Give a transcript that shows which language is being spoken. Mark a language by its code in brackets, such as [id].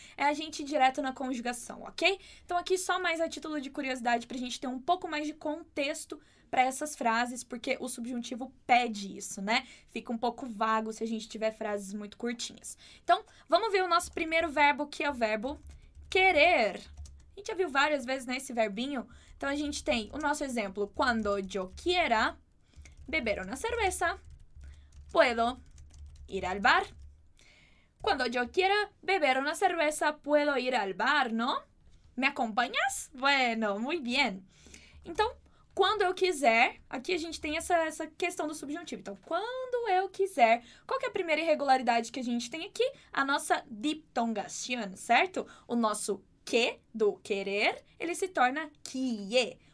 [pt] É a gente ir direto na conjugação, ok? Então aqui só mais a título de curiosidade para a gente ter um pouco mais de contexto para essas frases, porque o subjuntivo pede isso, né? Fica um pouco vago se a gente tiver frases muito curtinhas. Então, vamos ver o nosso primeiro verbo, que é o verbo querer. A gente já viu várias vezes, né, esse verbinho. Então, a gente tem o nosso exemplo. [es] Cuando yo quiera beber una cerveza, puedo ir al bar. Cuando yo quiera beber una cerveza, puedo ir al bar, ¿no? ¿Me acompañas? Bueno, muy bien. [pt] Então, quando eu quiser, aqui a gente tem essa questão do subjuntivo. Então, quando eu quiser, qual que é a primeira irregularidade que a gente tem aqui? A nossa diptongación, certo? O nosso que do querer, ele se torna quie.